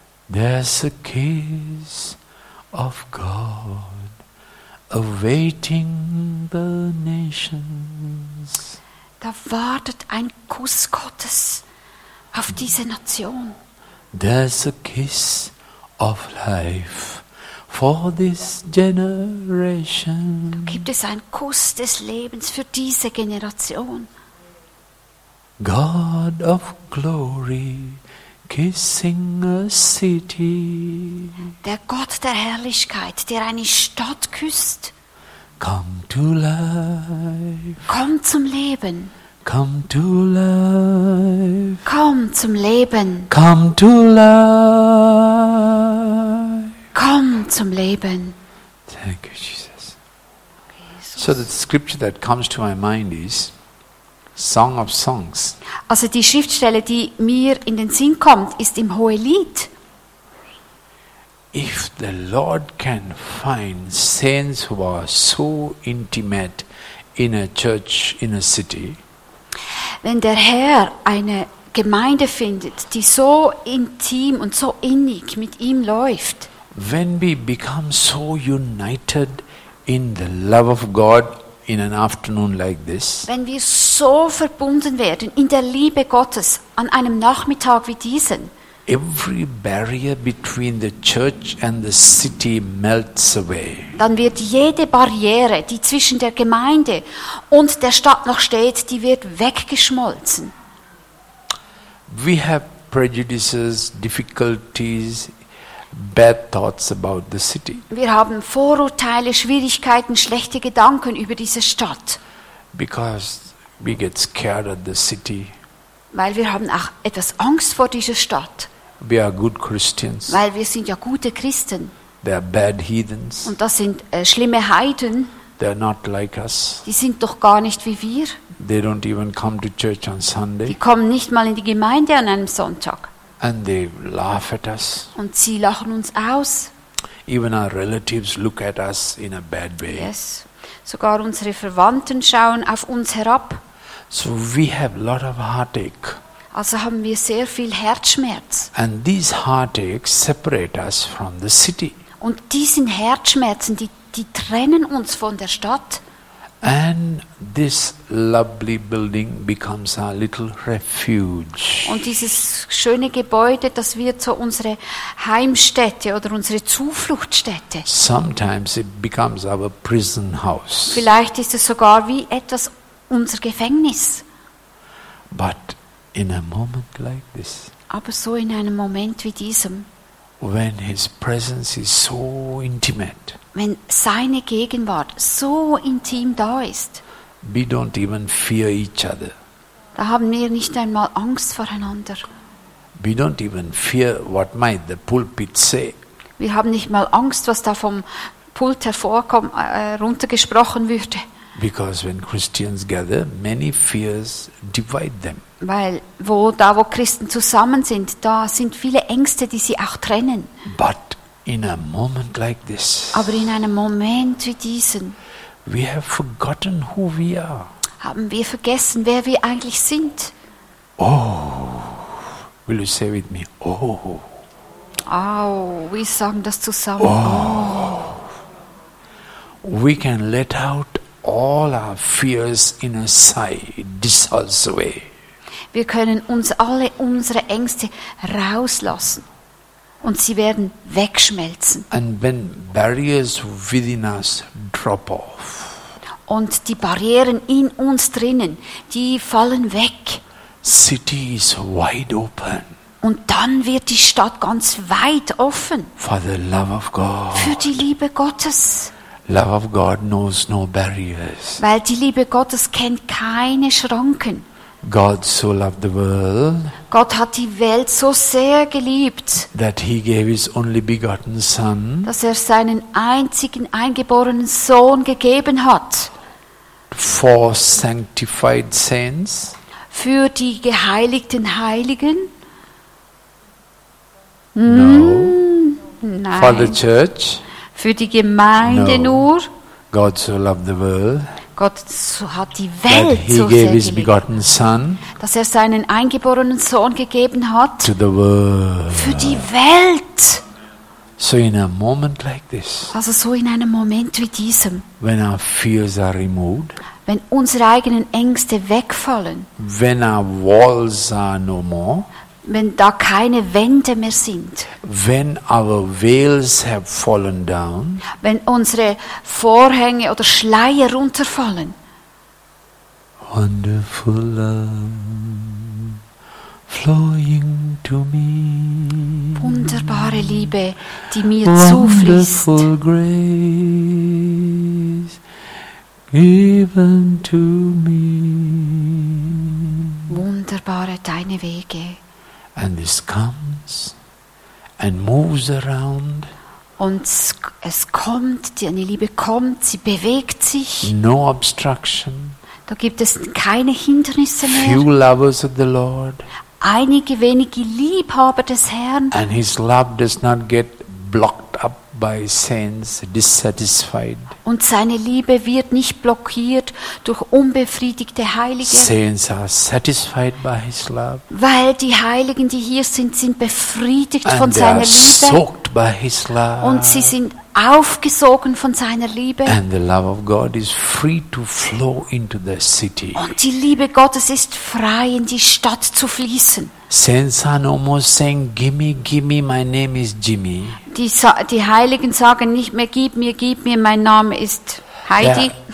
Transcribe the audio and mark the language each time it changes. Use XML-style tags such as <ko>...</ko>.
<en>There's a kiss of God awaiting the nations.</en> <de>Da wartet ein Kuss Gottes auf diese Nation.</de> <en>There's a kiss of life for this generation.</en> <de>Da gibt es einen Kuss des Lebens für diese Generation.</de> <en>God of glory, kissing a city.</en> <de>Der Gott der Herrlichkeit, der eine Stadt küsst.</de> <en>Come to life.</en> <de>Komm zum Leben.</de> <en>Come to life.</en> <de>Komm zum Leben.</de> <en>Come to life.</en> <de>Komm zum Leben.</de> <en>Thank you, Jesus. So the scripture that comes to my mind is Song of Songs.</en> <de>Also die Schriftstelle, die mir in den Sinn kommt, ist im Hohelied.</de> <en>If the Lord can find saints who are so intimate in a church, in a city,</en> <de>wenn der Herr eine Gemeinde findet, die so intim und so innig mit ihm läuft,</de> <en>when we become so united in the love of God in an afternoon like this,</en> <de>wenn wir so verbunden werden in der Liebe Gottes an einem Nachmittag wie diesen,</de> <en>every barrier between the church and the city melts away.</en> <de>Dann wird jede Barriere, die zwischen der Gemeinde und der Stadt noch steht, die wird weggeschmolzen.</de> <en>We have prejudices, difficulties, bad thoughts about the city.</en> <de>Wir haben Vorurteile, Schwierigkeiten, schlechte Gedanken über diese Stadt.</de> <en>Because we get scared of the city.</en> <de>Weil wir haben auch etwas Angst vor dieser Stadt.</de> <en>We are good Christians.</en> <de>Weil wir sind ja gute Christen.</de> <en>They are bad heathens.</en> <de>Und das sind schlimme Heiden.</de> <en>They are not like us.</en> <de>Die sind doch gar nicht wie wir.</de> <en>They don't even come to church on Sunday.</en> <de>Die kommen nicht mal in die Gemeinde an einem Sonntag.</de> <en>And they laugh at us.</en> <de>Und sie lachen uns aus.</de> <en>Even our relatives look at us in a bad way. Yes.</en> <de>Sogar unsere Verwandten schauen auf uns herab.</de> <en>So we have a lot of heartache.</en> <de>Also haben wir sehr viel Herzschmerz.</de> <en>And these heartaches separate us from the city.</en> <de>Und diesen Herzschmerzen, die trennen uns von der Stadt.</de> <en>And this lovely building becomes our little refuge.</en> <de>Und dieses schöne Gebäude, das wird so unsere Heimstätte oder unsere Zufluchtsstätte.</de> <en>Sometimes it becomes our prison house.</en> <de>Vielleicht ist es sogar wie etwas unser Gefängnis.</de> <en>But in a moment like this,</en> <de>aber so in einem Moment wie diesem,</de> <en>when his presence is so intimate,</en> <de>wenn seine Gegenwart so intim da ist,</de> <en>we don't even fear each other.</en> <de>Da haben wir nicht einmal Angst voreinander.</de> <en>We don't even fear what might the pulpit say.</en> <de>Wir haben nicht mal Angst, was da vom Pult hervorkommt, runtergesprochen würde.</de> <en>Because when Christians gather, many fears divide them.</en> <de>Weil wo Christen zusammen sind, da sind viele Ängste, die sie auch trennen.</de> <en>But in a moment like this,</en> <de>aber in einem Moment wie diesen,</de> <en>we have forgotten who we are.</en> <de>Haben wir vergessen, wer wir eigentlich sind.</de> <en>Oh, will you say with me, oh.</en> <de>Oh, wir sagen das zusammen. Oh.</de> <en>We can let out all our fears in a sigh, dissolves away.</en> <de>Wir können uns alle unsere Ängste rauslassen und sie werden wegschmelzen.</de> <en>And when barriers within us drop off,</en> <de>und die Barrieren in uns drinnen, die fallen weg.</de> <en>City is wide open.</en> <de>Und dann wird die Stadt ganz weit offen.</de> <en>For the love of God.</en> <de>Für die Liebe Gottes.</de> <en>Love of God knows no barriers.</en> <de>Weil die Liebe Gottes kennt keine Schranken.</de> <en>God so loved the world.</en> <de>Gott hat die Welt so sehr geliebt.</de> <en>That he gave his only begotten son.</en> <de>Dass er seinen einzigen eingeborenen Sohn gegeben hat.</de> <en>For sanctified saints.</en> <de>Für die geheiligten Heiligen.</de> <en>No.</en> <de>Nein.</de> <en>For the church.</en> <de>Für die Gemeinde</de> <en>no.</en> <de>Nur.</de> <en>God so loved the world.</en> <de>Gott hat die Welt so sehr geliebt,</de> <en>his begotten son,</en> <de>dass er seinen eingeborenen Sohn gegeben hat</de> <en>to the world.</en> <de>Für die Welt.</de> <en>So in a moment like this,</en> <de>also so in einem Moment wie diesem,</de> <en>when our fears are removed,</en> <de>wenn unsere eigenen Ängste wegfallen,</de> <en>when our walls are no more,</en> <de>wenn da keine Wände mehr sind,</de> <en>when our veils have fallen down,</en> <de>wenn unsere Vorhänge oder Schleier runterfallen,</de> <en>wonderful love flowing to me,</en> <de>wunderbare Liebe, die mir zufließt,</de> <en>wonderful grace Given to me.</en> <de>Wunderbare deine Wege.</de> <en>And this comes and moves around.</en> <de>Und es kommt, deine Liebe kommt, sie bewegt sich.</de> <en>No obstruction.</en> <de>Da gibt es keine Hindernisse mehr.</de> <en>Few lovers of the Lord.</en> <de>Einige wenige Liebhaber des Herrn.</de> <en>And his love does not get blocked up by sins, dissatisfied.</en> <de>Und seine Liebe wird nicht blockiert durch unbefriedigte Heilige.</de> <en>Sins are satisfied by his love.</en> <de>Weil die Heiligen, die hier sind, sind befriedigt</de> <en>and</en> <de>von seiner Liebe.</de> <en>Soaked by his love.</en> <de>Und sie sind aufgesogen von seiner Liebe.</de> <en>And the love of God is free to flow into the city.</en> <de>Und die Liebe Gottes ist frei, in die Stadt zu fließen.</de> <en>Saints are no more saying, give me, my name is Jimmy.</en> <de>Die Heiligen sagen nicht mehr, gib mir, mein Name ist Heidi.</de>